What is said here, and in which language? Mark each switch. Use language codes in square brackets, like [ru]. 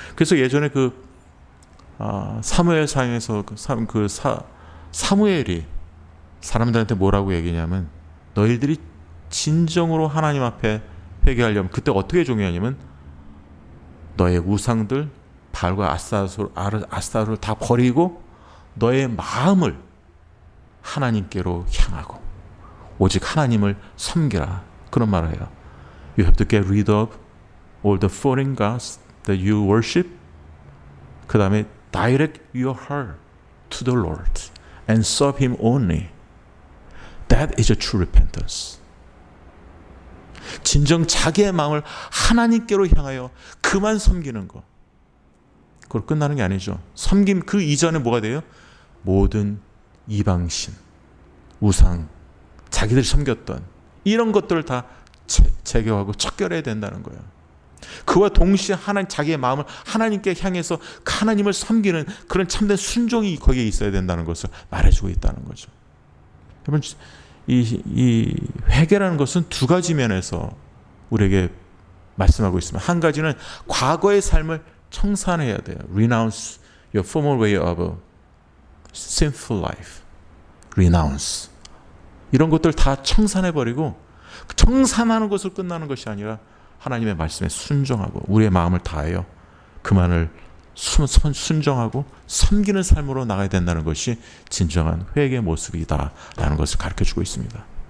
[ko] 그래서 예전에 그 사무엘상에서 사무엘이 사람들한테 뭐라고 얘기냐면 너희들이 진정으로 하나님 앞에 회개하려면 그때 어떻게 중요하냐면 너의 우상들 발과 아스타로를 다 버리고 너의 마음을 하나님께로 향하고 오직 하나님을 섬기라 그런 말을 해요. [en] You have to get rid of all the foreign gods that you worship. [ko] 그 다음에 [en] direct your heart to the Lord and serve Him only. That is a true repentance. [ko] 진정 자기의 마음을 하나님께로 향하여 그만 섬기는 거. 그걸 끝나는 게 아니죠. 섬김 그 이전에 뭐가 돼요? 모든 이방신, 우상, 자기들이 섬겼던 이런 것들을 다 제거하고 척결해야 된다는 거예요. 그와 동시에 하나님 자기의 마음을 하나님께 향해서 하나님을 섬기는 그런 참된 순종이 거기에 있어야 된다는 것을 말해주고 있다는 거죠. 여러분 이 회개라는 것은 두 가지 면에서 우리에게 말씀하고 있습니다. 한 가지는 과거의 삶을 청산해야 돼요. [en] Renounce your former way of a sinful life. Renounce. [ko] 이런 것들 다 청산해버리고 청산하는 것을 끝나는 것이 아니라 하나님의 말씀에 순종하고 우리의 마음을 다하여 그만을 순종하고 섬기는 삶으로 나가야 된다는 것이 진정한 회개의 모습이다라는 것을 가르쳐주고 있습니다.